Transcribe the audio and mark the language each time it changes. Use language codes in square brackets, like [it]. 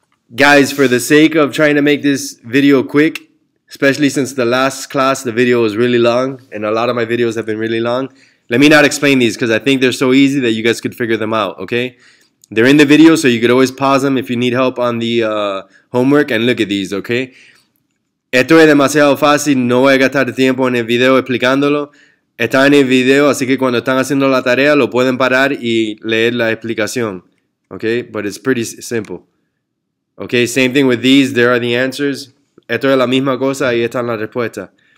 [en] Guys, for the sake of trying to make this video quick, especially since the last class, the video was really long, and a lot of my videos have been really long, let me not explain these because I think they're so easy that you guys could figure them out, okay? They're in the video, so you could always pause them if you need help on the homework and look at these, okay? [es] Esto es demasiado fácil, no voy a gastar tiempo en el video explicándolo. Está en el video, así que cuando están haciendo la tarea, lo pueden parar y leer la explicación. [en] Okay, but it's pretty simple. Okay, same thing with these, there are the answers. [es] Esto es la misma cosa, ahí están las respuestas.